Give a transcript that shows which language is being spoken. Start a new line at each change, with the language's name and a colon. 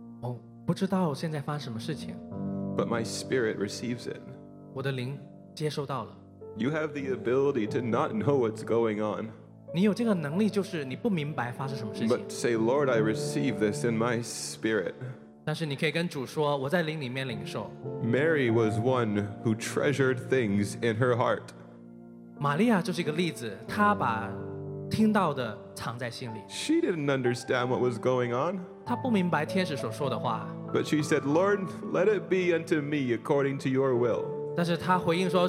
Chinese: Oh, 不知道现在发生什么事情。
English: But my spirit receives it.
Chinese: 我的灵接受到了。
English: You have the ability to not know what's going on.
Chinese: 你有这个能力就是你不明白发生什么事情。
English: But say, Lord, I receive this in my spirit.
Chinese: 但是你可以跟主说，我在灵里面领受。
English: Mary was one who treasured things in her heart.
Chinese: 玛利亚就是一个例子，她把
English: She didn't understand what was going on. But she said, Lord, let it be unto me according to your will.